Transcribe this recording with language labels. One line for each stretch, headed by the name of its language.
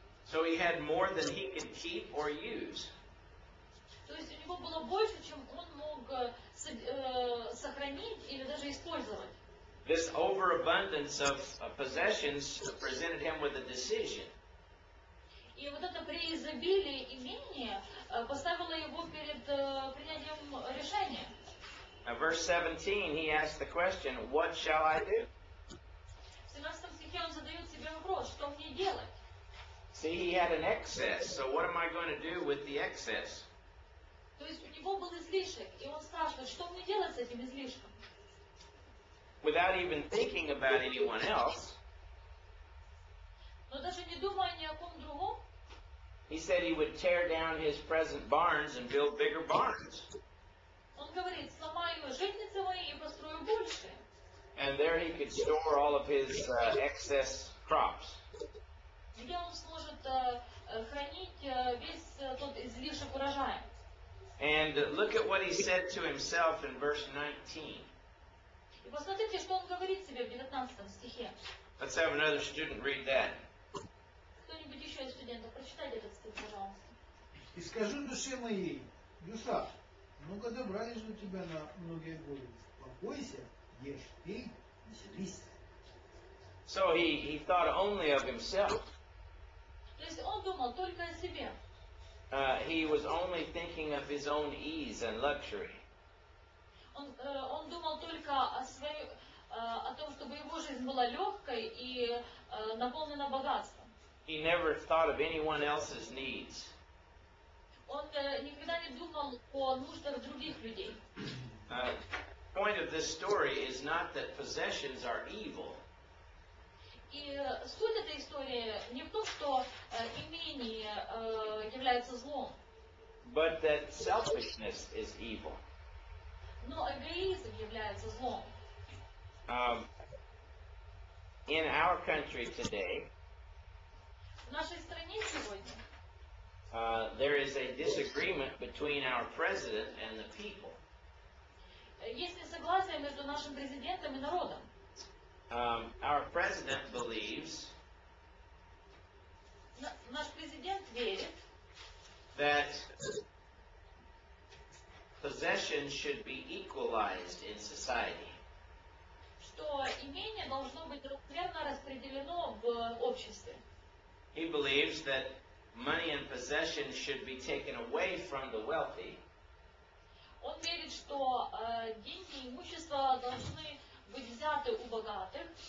English: So he had more than he could keep or use.
Russian: То есть у него было больше, чем он мог сохранить или даже использовать.
English: This overabundance of possessions presented him with a decision.
Russian: И вот это преизобилие имения поставило его перед принятием решения.
English: Now, verse 17, he asked the question, "What shall I do?"
Russian: В 17 стихе он задает себе вопрос, что мне делать?
English: See, he had an excess, so what am I going to do with the excess?
Russian: То есть у него был излишек, и он спрашивает, что мне делать с этим излишком?
English: Without even thinking about anyone else.
Russian: Но даже не думая ни о ком другом.
English: He said he would tear down his present barns and build bigger barns.
Russian: Он говорит, сломаю житницы мои и построю больше.
English: And there he could store all of his excess crops.
Russian: Где он сможет хранить весь тот излишек урожая?
English: And look at what he said to himself in verse 19.
Russian: Посмотрите, что он говорит себе в 19 стихе.
English: Let's have another student read that.
Russian: Кто-нибудь еще из студентов, прочитайте этот стих, пожалуйста. И скажу душе моей, душа, много добра лежит у тебя на многие годы. Покойся, ешь, пей, веселись.
English: So he thought only of himself.
Russian: То есть он думал только о себе.
English: He was only thinking of his own ease and luxury.
Russian: Он думал только о своей, о том, чтобы его жизнь была легкой и наполнена богатством.
English: He never thought of anyone else's needs.
Russian: Он никогда не думал о нуждах других людей.
English: Point of this story is not that possessions are evil.
Russian: И суть этой истории не в том, что имение является злом.
English: But that selfishness is evil.
Russian: Но эгоизм является злом.
English: In our country today,
Russian: в нашей стране сегодня,
English: there is a disagreement between our president and the people.
Russian: Есть несогласие между нашим президентом и народом.
English: Our president believes,
Russian: наш президент верит,
English: that possessions should be equalized in society.
Russian: Что имение должно быть равномерно распределено в обществе.
English: He believes that money and possessions should be taken away from the wealthy.
Russian: Он верит, что деньги и имущество должны быть взяты у богатых.